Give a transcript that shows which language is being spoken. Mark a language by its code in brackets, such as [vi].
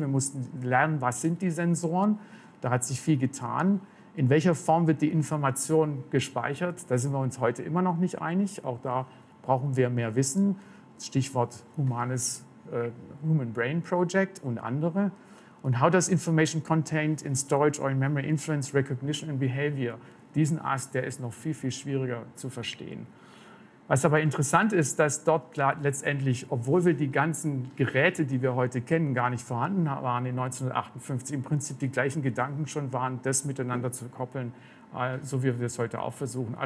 [de] Wir mussten lernen, was sind die Sensoren, da hat sich viel getan. In welcher Form wird die Information gespeichert, da sind wir uns heute immer noch nicht einig, auch da brauchen wir mehr Wissen, Stichwort humanes Human Brain Project und andere. Und [en] how does information contained in storage or in memory influence recognition and behavior? [de] Diesen Ast, der ist noch viel, viel schwieriger zu verstehen. Was aber interessant ist, dass dort letztendlich, obwohl wir die ganzen Geräte, die wir heute kennen, gar nicht vorhanden waren in 1958, im Prinzip die gleichen Gedanken schon waren, das miteinander zu koppeln, so wie wir es heute auch versuchen.